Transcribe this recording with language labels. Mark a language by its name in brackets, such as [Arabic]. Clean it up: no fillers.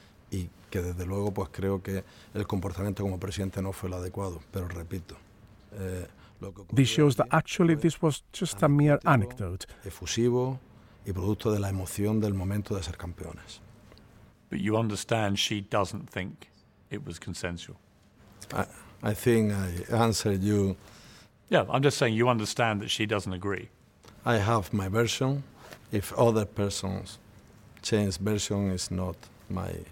[Spanish] Y que desde luego pues creo que el comportamiento como presidente no fue el adecuado, pero repito. [English] This shows that actually this was just a mere anecdote. [Spanish] Efusivo y producto de la emoción del momento de ser campeones. [English] But you understand she doesn't think it was consensual. I think I answered you. Yeah, I'm just saying you understand that she doesn't agree. I have my version. If other persons change version, it's not my.